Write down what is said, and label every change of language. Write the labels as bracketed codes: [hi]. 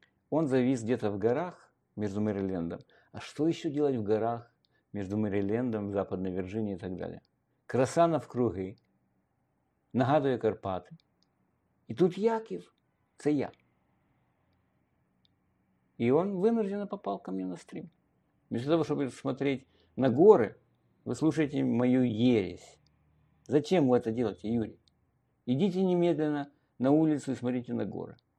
[ru] Он завис где-то в горах между Мерілендом. А [uk] що ще [ru] делать в горах между Мерілендом, Западной Вірджинією і так далі? [uk] Краса навкруги нагадує Карпати. І тут Яків, це я. [ru] И он вынужденно попал ко мне на стрим. Вместо того, чтобы смотреть на горы, вы слушаете мою ересь. Зачем вы это делаете, Юрий? Идите немедленно на улицу и смотрите на горы.